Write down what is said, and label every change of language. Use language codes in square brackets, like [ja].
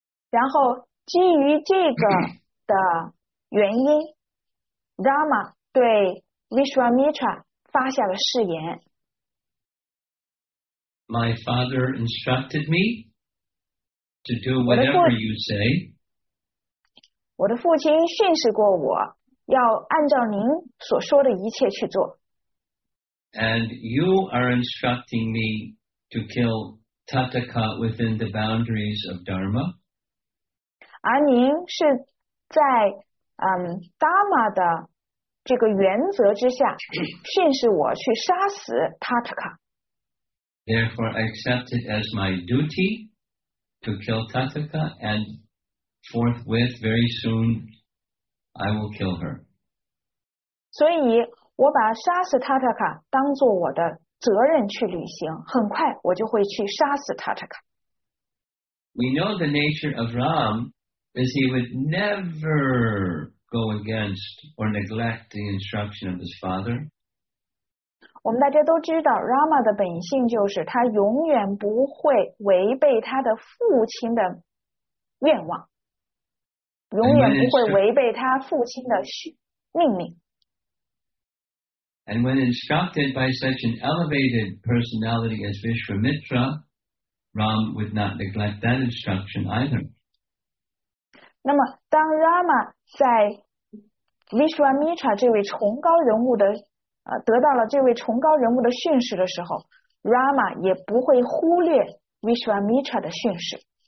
[zh] 然后基于这个的原因，Rama 对 Vishwamitra 发下了誓言。 [en] My father instructed me to do whatever you say. [zh] 我的父亲训示过我，要按照您所说的一切去做。 [en] And you are instructing me to kill Tathaka within the boundaries of Dharma. [zh] 而您是在Dharma 的这个原则之下训示我去杀死 Tathaka。 [en] Therefore, I accept it as my duty to kill Tathaka and. Forthwith, very soon, I will kill her. [zh] 所以我把杀死 Tathaka 当作我的责任去履行，很快我就会去杀死 Tathaka。 [en] We know the nature of Ram is he would never go against or neglect the instruction of his father. [zh] 我们大家都知道 Rama 的本性就是他永远不会违背他的父亲的愿望。永远不会违背他父亲的命令。 [en] And when instructed by such an elevated personality as Vishwamitra, Ram would not neglect that instruction either. [zh] 那么当 Rama 在 Vishwamitra 这位崇高人物的得到了这位崇高人物的训示的时候， Rama 也不会忽略 Vishwamitra 的训示。